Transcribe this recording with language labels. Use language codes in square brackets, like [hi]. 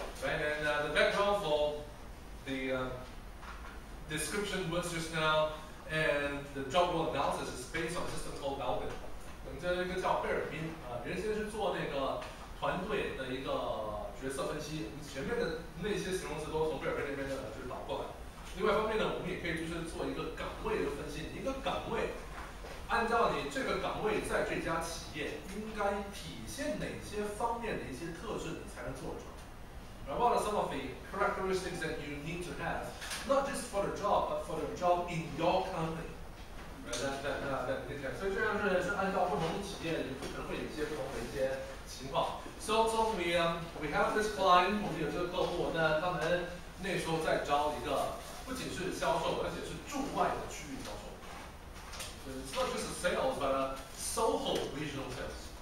[en] Right, and the background for the description words just now and the job role analysis is based on a system called Melvin. [zh] 我们这一个叫贝尔宾，原先是做那个团队的一个角色分析，我们前面的那些形容词都从贝尔宾那边的就是导过来。另外一方面呢，我们也可以就是做一个岗位的分析，一个岗位按照你这个岗位在这家企业应该体现哪些方面的一些特质，你才能做出来。 [en] What are some of the characteristics that you need to have, not just for the job, but for the job in your company? [zh] 所以这样是按照不同的企业可能会有一些不同的一些情况。 [en] So we have this client， [zh] 我们有这个客户，那他们那时候在招一个不仅是销售，而且是驻外的区域销售。 [en] It's not just sales， but a SOHO regional sales。